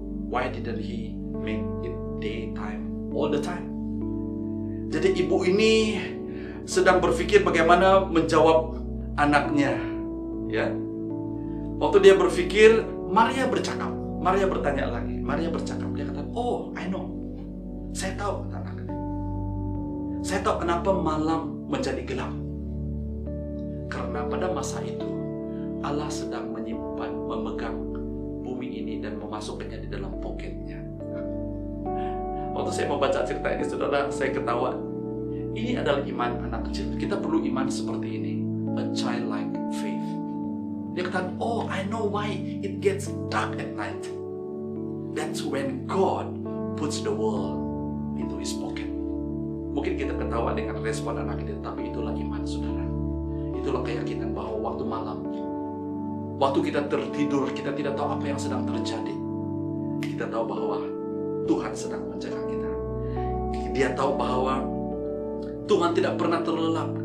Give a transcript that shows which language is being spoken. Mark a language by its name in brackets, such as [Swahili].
[English] Why didn't He make it daytime all the time?" [Malay] Jadi ibu ini sedang berpikir bagaimana menjawab anaknya, ya. Waktu dia berpikir, Maria bercakap. Maria bertanya lagi. Maria bercakap, dia kata, [English] "Oh, I know. [Malay] Saya tahu, anaknya. Saya tahu kenapa malam menjadi gelap. Karena pada masa itu Allah sedang menyimpan, memegang bumi ini dan memasukkannya di dalam poketnya." Waktu saya membaca cerita ini, saudara, saya ketawa. Ini adalah iman anak kecil. Kita perlu iman seperti ini, [English] a childlike faith. [Malay] Dia kata, [English] "Oh, I know why it gets dark at night. That's when God puts the world into His pocket." [Malay] Mungkin kita ketawa dengan respon anak kecil, tapi itulah iman, saudara. Itulah keyakinan bahwa waktu malam, waktu kita tertidur, kita tidak tahu apa yang sedang terjadi. Kita tahu bahwa Tuhan sedang menjaga kita. Dia tahu bahwa Tuhan tidak pernah terlelap.